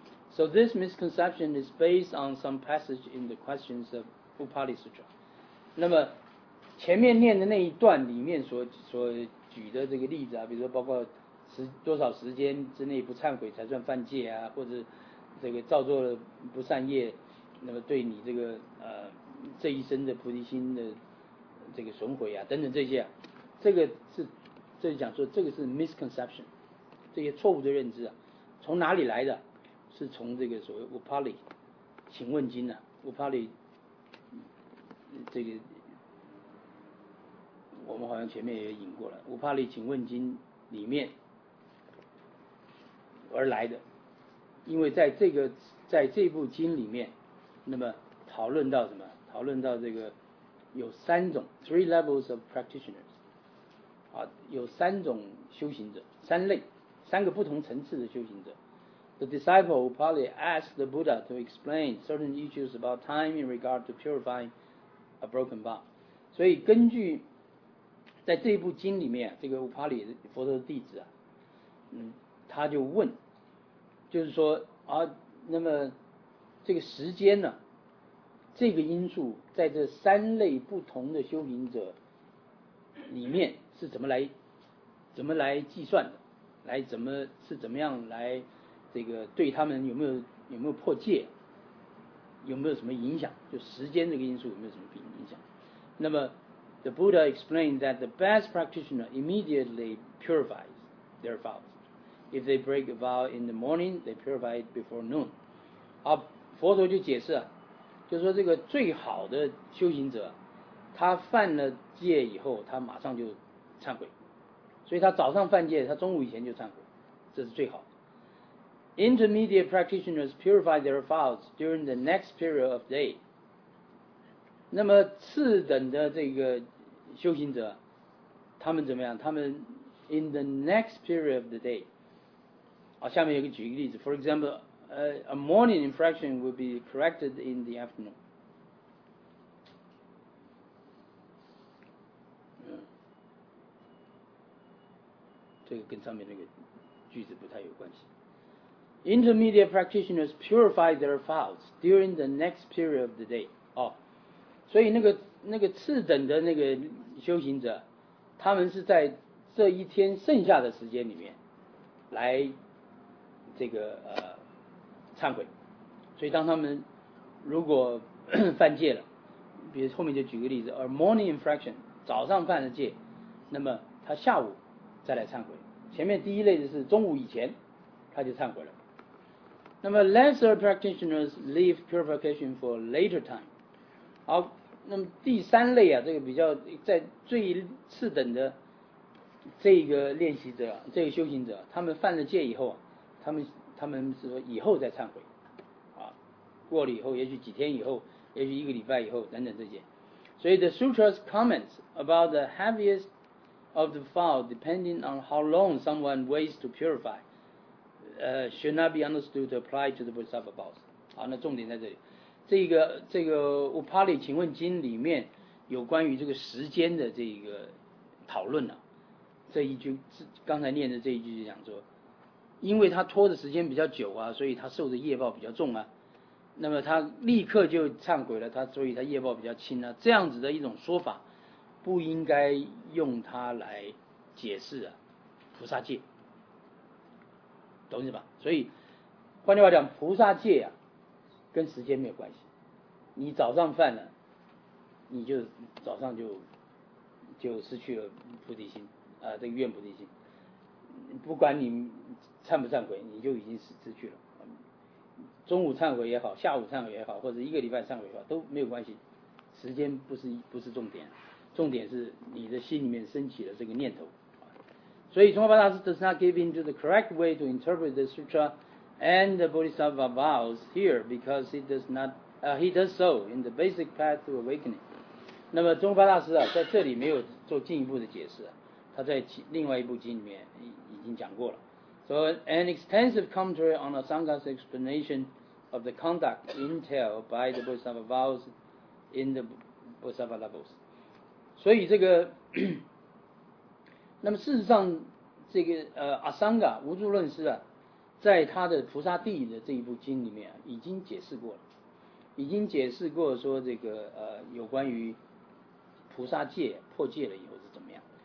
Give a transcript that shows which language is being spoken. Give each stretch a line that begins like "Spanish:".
English: So this misconception is based on some passage in the questions of Upali Sutra.
Chinese: 那么前面念的那一段里面所举的这个例子啊，比如说包括多少时间之内不忏悔才算犯戒啊，或者这个造作了不善业，那么对你这个这一生的菩提心的这个损毁啊等等这些啊，这个是。这里讲说这个是 misconception， 这些错误的认知啊，从哪里来的？是从这个所谓 Upali 请问经啊， Upali 这个我们好像前面也引过了， Upali 请问经里面而来的。因为在这部经里面，那么讨论到什么？讨论到这个有三种
English: three levels of practitioners。
Chinese: 啊，有三种修行者，三类，三个不同层次的修行者。
English: The disciple Upali asked the Buddha to explain certain issues about time in regard to purifying a broken vow.
Chinese: 所以根据在这一部经里面，这个 Upali 佛陀的弟子啊，他就问，就是说啊，那么这个时间呢、啊，这个因素在这三类不同的修行者里面是怎么来计算的？来怎么是怎么样来这个对他们有没有破戒？有没有什么影响？就时间这个因素有没有什么影响？
English: 那么 ，the Buddha explained that the best practitioner immediately purifies their vows. If they break a vow in the morning, they purify it before noon.
Chinese: 啊，佛陀就解释啊，就是说这个最好的修行者，他犯了戒以后，他马上就忏悔，所以他早上犯戒，他中午以前就忏悔，这是最好的。
English: Intermediate practitioners purify their vows during the next period of day.
Chinese: 那么次等的这个修行者，他们怎么样？他们
English: in the next period of the day.
Chinese: 啊，下面有个举个例子
English: ，for example, a morning infraction will be corrected in the afternoon.
Chinese: 这个跟上面那个句子不太有关系。
English: Intermediate practitioners purify their vows during the next period of the day.
Chinese: 哦，所以那个次等的那个修行者，他们是在这一天剩下的时间里面来这个忏悔。所以当他们如果犯戒了，比如后面就举个例子 ，
English: a morning infraction，
Chinese: 早上犯了戒，那么他下午再来忏悔。前面第一类的是中午以前他就忏悔了。
English: 那么 lesser practitioners leave purification for later time.
Chinese: 好，那么第三类啊，这个比较在最次等的这个练习者，这个修行者，他们犯了戒以后，他们是说以后再忏悔，啊，过了以后，也许几天以后，也许一个礼拜以后，等等这些。
English: 所以 the sutras comments about the heaviest of the fall depending on how long someone waits to purify. Should not be understood to apply to the Bodhisattva vows.
Chinese: 好，那重点在这里。这个 Upali 请问经里面有关于这个时间的这个讨论呢、啊？这一句刚才念的这一句就讲说，因为他拖的时间比较久啊，所以他受的业报比较重啊。那么他立刻就忏悔了，所以他业报比较轻啊。这样子的一种说法，不应该用它来解释啊菩萨戒。懂是吧？所以换句话讲，菩萨戒啊跟时间没有关系，你早上犯了，你就早上就失去了菩提心啊、这个愿菩提心，不管你忏不忏悔，你就已经失去了，中午忏悔也好，下午忏悔也好，或者一个礼拜忏悔也好，都没有关系，时间不是重点，重点是你的心里面升起了这个念头。
English: 所以中华巴大师 does not give into the correct way to interpret the sutra and the bodhisattva vows here because he does so in the basic path to awakening.
Chinese: 那么中华巴大师、啊、在这里没有做进一步的解释，他在另外一部经里面已经讲过了。
English: So an extensive commentary on Asanga's explanation of the conduct entailed by the bodhisattva vows in the bodhisattva levels.
Chinese: 所以这个那么事实上这个阿桑嘎无助论师啊，在他的菩萨地的这一部经里面、啊、已经解释过说这个有关于菩萨戒破戒了以后是怎么样。